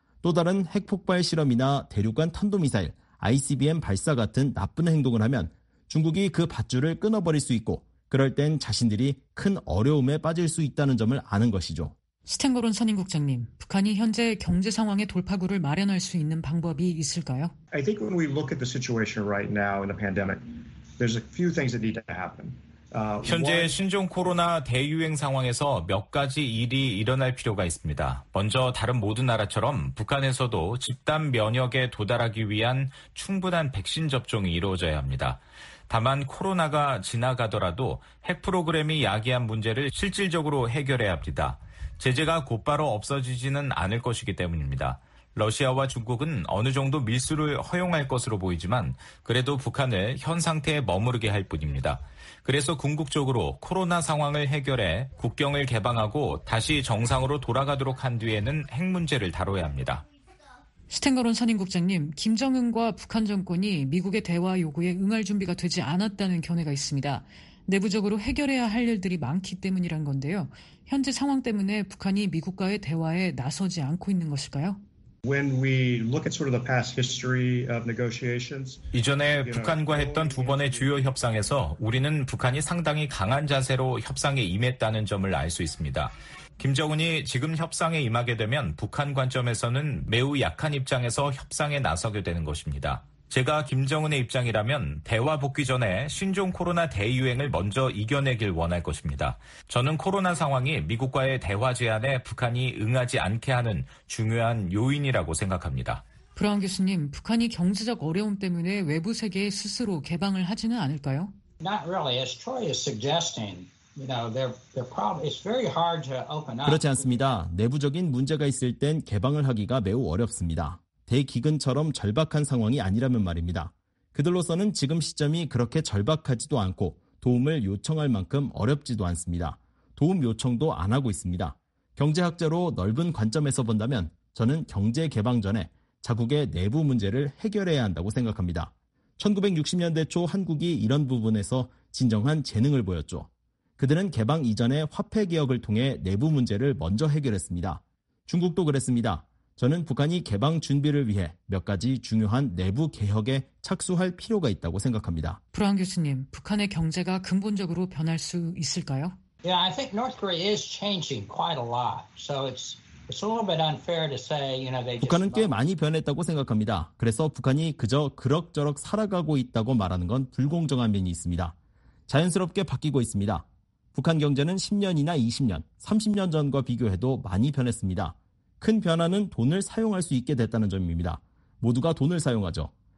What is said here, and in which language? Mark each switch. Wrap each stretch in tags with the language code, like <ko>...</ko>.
<ko>또 다른 핵폭발 실험이나 대륙간 탄도미사일, ICBM 발사 같은 나쁜 행동을 하면 중국이 그 밧줄을 끊어버릴 수 있고 그럴 땐 자신들이 큰 어려움에 빠질 수 있다는 점을 아는 것이죠. 스탠거론 선임 국장님, 북한이 현재 경제 상황의 돌파구를 마련할 수 있는 방법이 있을까요?</ko> <en>I think when we look at the situation right now in the pandemic, there's a few things that need to happen.</en> <ko>현재 신종 코로나 대유행 상황에서 몇 가지 일이 일어날 필요가 있습니다. 먼저 다른 모든 나라처럼 북한에서도 집단 면역에 도달하기 위한 충분한 백신 접종이 이루어져야 합니다. 다만 코로나가 지나가더라도 핵 프로그램이 야기한 문제를 실질적으로 해결해야 합니다. 제재가 곧바로 없어지지는 않을 것이기 때문입니다. 러시아와 중국은 어느 정도 밀수를 허용할 것으로 보이지만 그래도 북한을 현 상태에 머무르게 할 뿐입니다. 그래서 궁극적으로 코로나 상황을 해결해 국경을 개방하고 다시 정상으로 돌아가도록 한 뒤에는 핵 문제를 다뤄야 합니다. 스탠거론 선임 국장님, 김정은과 북한 정권이 미국의 대화 요구에 응할 준비가 되지 않았다는 견해가 있습니다. 내부적으로 해결해야 할 일들이 많기 때문이란 건데요. 현재 상황 때문에 북한이 미국과의 대화에 나서지 않고 있는 것일까요?</ko> <en>When we look at sort of the past history of negotiations,</en> <ko>이전에 북한과 했던 두 번의 주요 협상에서 우리는 북한이 상당히 강한 자세로 협상에 임했다는 점을 알 수 있습니다. 김정은이 지금 협상에 임하게 되면 북한 관점에서는 매우 약한 입장에서 협상에 나서게 되는 것입니다. 제가 김정은의 입장이라면 대화 복귀 전에 신종 코로나 대유행을 먼저 이겨내길 원할 것입니다. 저는 코로나 상황이 미국과의 대화 제안에 북한이 응하지 않게 하는 중요한 요인이라고 생각합니다. 브라운 교수님, 북한이 경제적 어려움 때문에 외부 세계에 스스로 개방을 하지는 않을까요?</ko> <en>Not really. As Troy is suggesting, you know, their problem is very hard to open up.</en> <ko>그렇지 않습니다. 내부적인 문제가 있을 땐 개방을 하기가 매우 어렵습니다. 대기근처럼 절박한 상황이 아니라면 말입니다. 그들로서는 지금 시점이 그렇게 절박하지도 않고 도움을 요청할 만큼 어렵지도 않습니다. 도움 요청도 안 하고 있습니다. 경제학자로 넓은 관점에서 본다면 저는 경제 개방 전에 자국의 내부 문제를 해결해야 한다고 생각합니다. 1960년대 초 한국이 이런 부분에서 진정한 재능을 보였죠. 그들은 개방 이전에 화폐 개혁을 통해 내부 문제를 먼저 해결했습니다. 중국도 그랬습니다. 저는 북한이 개방 준비를 위해 몇 가지 중요한 내부 개혁에 착수할 필요가 있다고 생각합니다. 브라운 교수님, 북한의 경제가 근본적으로 변할 수 있을까요?</ko> <en>Yeah, I think North Korea is changing quite a lot. So it's a little bit unfair to say, you know, they</en> <ko>북한은 꽤 많이 변했다고 생각합니다. 그래서 북한이 그저 그럭저럭 살아가고 있다고 말하는 건 불공정한 면이 있습니다. 자연스럽게 바뀌고 있습니다. 북한 경제는 10년이나 20년, 30년 전과 비교해도 많이 변했습니다. 큰 변화는 돈을 사용할 수 있게 됐다는 점입니다. 모두가 돈을 사용하죠.</ko>